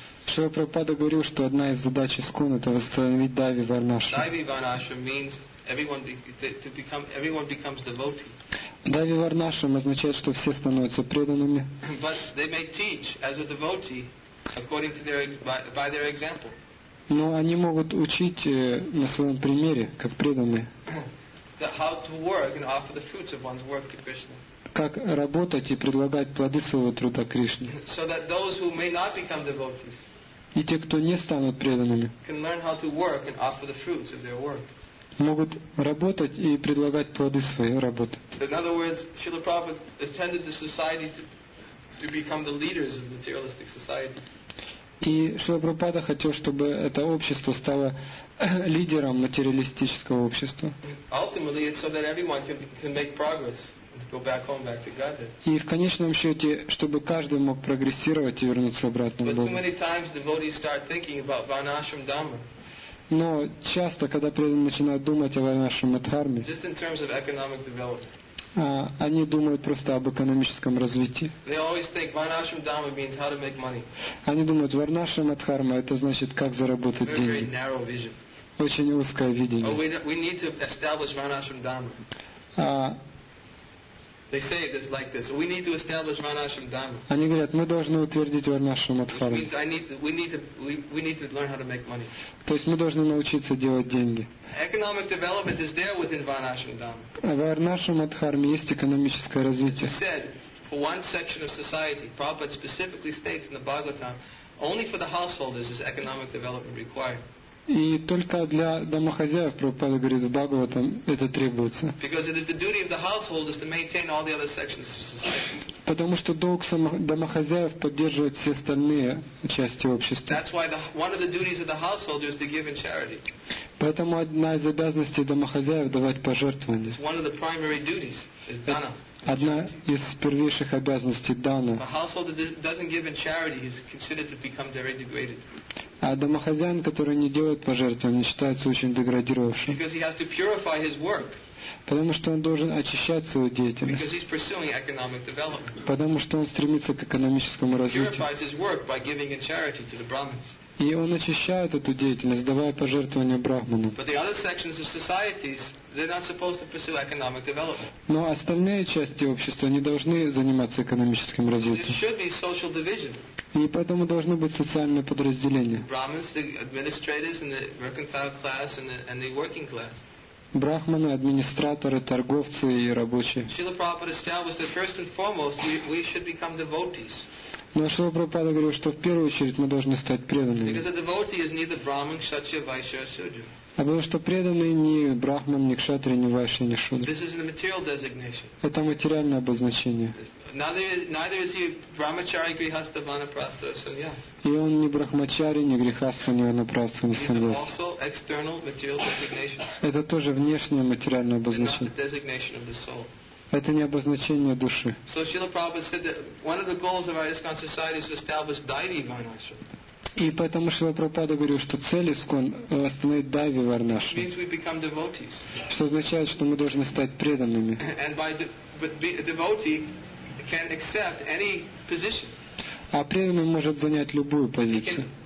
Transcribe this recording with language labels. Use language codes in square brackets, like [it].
[ru] Srila Prabhupada говорил, что одна из задач ISKCON это восстановить Daivi Varnashram. [en] Daivi Varnashram means everyone becomes devotee. [ru] Daivi Varnashram означает, что все становятся преданными. [en] But they may teach as a devotee according to their by their example. [ru] Но они могут учить на своем примере, как преданные. [en] how to work and offer the fruits of one's work to Krishna. [ru] Как работать и предлагать плоды своего труда Кришне. [en] So that those who may not become devotees, [ru] и те, кто не станут преданными, [en] can learn how to work and offer the fruits of their work. [ru] Могут работать и предлагать плоды своей работы. [en] In other words, Srila Prabhupada intended the society to become the leaders of materialistic society. [ru] И Шрила Прабхупада хотел, чтобы это общество стало лидером материалистического общества. [en] Ultimately, it's so that everyone can make progress and go back home, back to Godhead. [ru] И в конечном счете, чтобы каждый мог прогрессировать и вернуться обратно в Бога. [en] But too many times devotees start thinking about Vanashram Dhamma. [ru] Но часто, когда преданные начинают думать о Vanashram Dharma, [en] just in terms of economic development. [ru] Они думают просто об экономическом развитии. [en] They always think Vanashram Dhamma means how to make money. [ru] Они думают, Vanashram Dharma это значит как заработать [en] very, [ru] деньги. [en] Very narrow vision. [ru] Очень узкое видение. [en] Oh, we need to establish Vanashram Dhamma. They say it is like this. We need to establish Vanashram Dhamma. [ru] Они говорят, мы должны утвердить Vanashram Dharma. [en] We need to learn how to make money. [ru] То есть мы должны научиться делать деньги. [en] Economic development is there within Vanashram Dhamma. [ru] В Vanashram Dharma есть экономическое развитие. [en] He said, for one section of society, Prabhupada specifically states in the Bhagavatam, only for the householders is economic development required. [ru] И только для домохозяев, Прабхупада говорит, в Бхагаватам это требуется. [en] Because it is the duty of the householders to maintain all the other sections of society. [ru] Потому что долг домохозяев поддерживать все остальные части общества. [en] That's why one of the duties of the householder is to give in charity. [ru] Поэтому одна из обязанностей домохозяев давать пожертвования. [en] It's one of the primary duties is dana. [ru] Одна из первейших обязанностей дана. [en] A householder doesn't give in charity is considered to become very degraded. [ru] А домохозяин, который не делает пожертвования, считается очень деградировавшим. [en] Because he has to purify his work. [ru] Потому что он должен очищать свою деятельность. [en] Because he's pursuing economic development. [ru] Потому что он стремится к экономическому развитию. [en] He purifies his work by giving in charity to the Brahmins. [ru] И он очищает эту деятельность, давая пожертвования брахманам. [en] But the other sections of societies, they're not supposed to pursue economic development. [ru] Но остальные части общества не должны заниматься экономическим развитием. [en] There should be social division. [ru] И поэтому должны быть социальные подразделения. [en] Brahmins, the administrators and the mercantile class and the working class. [ru] Брахманы, администраторы, торговцы и рабочие. [en] Srila Prabhupada established that first and foremost we should become devotees. [ru] Но Шрила Прабхупада говорил, что в первую очередь мы должны стать преданными. [en] Because a devotee is neither Brahman, Kshatriya, Vaishya, or Shudra. [ru] А потому что преданный не Брахман, не Кшатрия, не Вайшья, не Шудра. [en] This is a material designation. [ru] Это материальное обозначение. [en] Neither is he Brahmachari, Grihastha, Vanaprastha, or Sannyas. [ru] И он не Брахмачари, не Грихастха, не Ванапрастха, не Саньяс. [en] These are also external material designations. [ru] Это тоже внешнее материальное обозначение. [en] They're not the designation of the soul. [ru] Это не обозначение души. [en] So Srila Prabhupada said that one of the goals of our ISKCON society is to establish Daivi Vanashram. [ru] И поэтому Шрила Прабхупада говорил, что цель ИСКОН восстановить Дайви Варнашрам. Что означает, что мы должны стать преданными. А преданный может занять любую позицию.